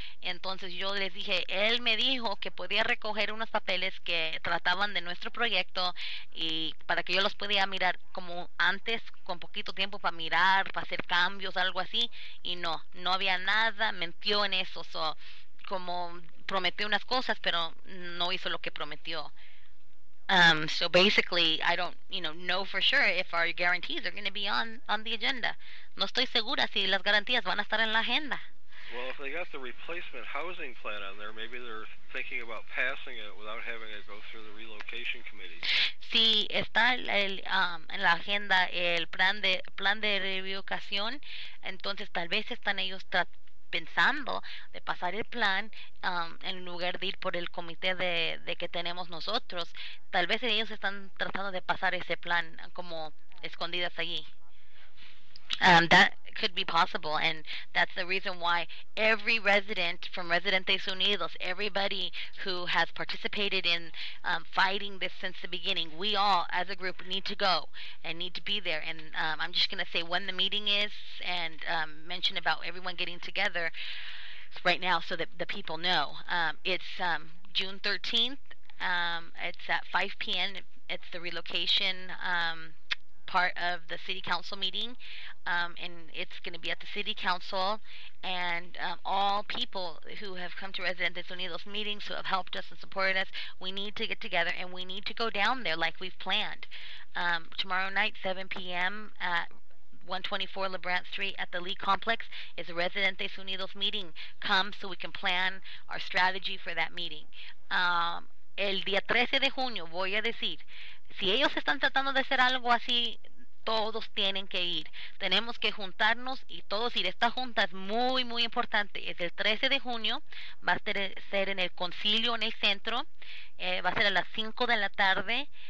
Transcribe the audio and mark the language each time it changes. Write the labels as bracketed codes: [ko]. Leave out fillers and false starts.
[es] Entonces yo les dije, él me dijo que podía recoger unos papeles que trataban de nuestro proyecto, y para que yo los pudiera mirar como antes, con poquito tiempo para mirar, para hacer cambios, algo así, y no había nada, mintió en eso. So, como prometió unas cosas, pero no hizo lo que prometió. [en] So basically, I don't, you know for sure if our guarantees are going to be on the agenda. [es] No estoy segura si las garantías van a estar en la agenda. [en] Well, if they got the replacement housing plan on there, maybe they're thinking about passing it without having it go through the relocation committee. [es] Si está en la agenda el plan de reubicación, entonces tal vez están ellos pensando de pasar el plan, en lugar de ir por el comité de que tenemos nosotros. Tal vez ellos están tratando de pasar ese plan como escondidas allí. [en] That could be possible, and that's the reason why every resident from Residentes Unidos, everybody who has participated in fighting this since the beginning, we all as a group need to go and need to be there. And I'm just going to say when the meeting is and mention about everyone getting together right now so that the people know. It's June 13th. It's at 5 p.m. It's the relocation part of the city council meeting, and it's going to be at the city council, and all people who have come to Residentes Unidos meetings, who have helped us and supported us, we need to get together, and we need to go down there like we've planned. Tomorrow night, 7 p.m. at 124 LeBrant Street at the Lee Complex is a Residentes Unidos meeting. Come so we can plan our strategy for that meeting. [es] El día 13 de junio voy a decir, si ellos están tratando de hacer algo así, todos tienen que ir. Tenemos que juntarnos y todos ir. Esta junta es muy, muy importante. Es el 13 de junio, va a ser en el concilio en el centro, va a ser a las 5 de la tarde.